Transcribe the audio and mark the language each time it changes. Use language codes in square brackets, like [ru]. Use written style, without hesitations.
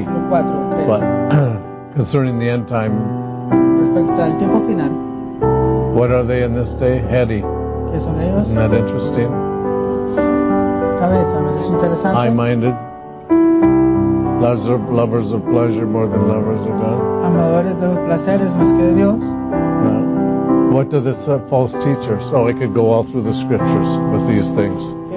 [en] But concerning the end time, what are they in this day? Heady. Isn't that interesting? High-minded. Lovers of pleasure more than lovers of God. [es] Amadores de los placeres más que de Dios. [en] What do the false teachers? Oh, I could go all through the scriptures with these things.